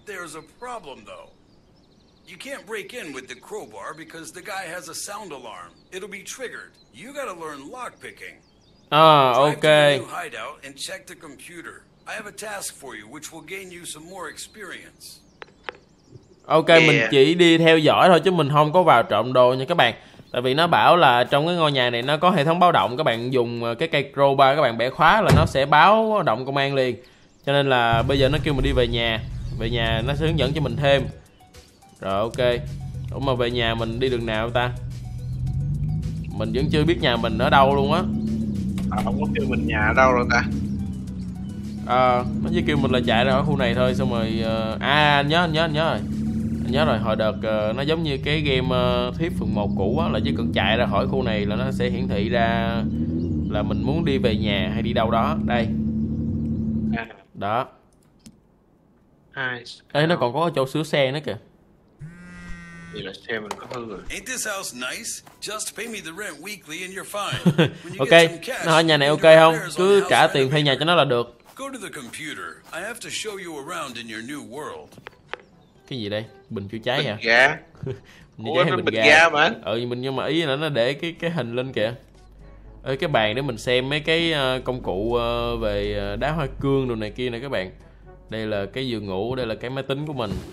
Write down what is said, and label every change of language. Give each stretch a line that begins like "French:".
English: There's a problem though. You can't break in with the crowbar because the guy has a sound alarm. It'll be triggered. You gotta learn lock picking. Okay. Drive to the new hideout and check the computer. I have a task for you which will gain you some more experience. Okay, yeah.
Vietnamese: Mình chỉ đi theo dõi thôi chứ mình không có vào trộm đồ nha các bạn. Tại vì nó bảo là trong cái ngôi nhà này nó có hệ thống báo động, các bạn dùng cái cây crowbar các bạn bẻ khóa là nó sẽ báo động công an liền. Cho nên là bây giờ nó kêu mình đi về nhà. Về nhà nó sẽ hướng dẫn cho mình thêm. Rồi ok. Ủa mà về nhà mình đi đường nào ta? Mình vẫn chưa biết nhà mình ở đâu luôn á. Không có kêu mình nhà ở đâu rồi ta. Nó chỉ kêu mình là chạy ra ở khu này thôi. Xong rồi anh nhớ rồi. Anh nhớ rồi, hồi đợt nó giống như cái game Thief phần 1 cũ á, là chỉ cần chạy ra khỏi khu này là nó sẽ hiển thị ra là mình muốn đi về nhà hay đi đâu đó. Đây. Đó.
English: Nice.
Vietnamese: Ê, nó còn có chỗ sửa xe nữa kìa.
English: Ain't this house nice? Just pay me the rent weekly and you're fine.
Vietnamese: Ok, nó hỏi nhà này ok không? Cứ trả tiền thuê nhà cho nó là được.
English: Go to the computer. I have to show you around in your new world.
Vietnamese: Cái gì đây? Bình chữa cháy hả? Bình ga. Ủa, nó bình ga mà. Ừ, mình nhưng mà ý là nó để cái hình lên kìa. Ơi cái bàn để mình xem mấy cái công cụ về đá hoa cương đồ này kia nè các bạn. Đây là cái giường ngủ, đây là cái máy tính của mình.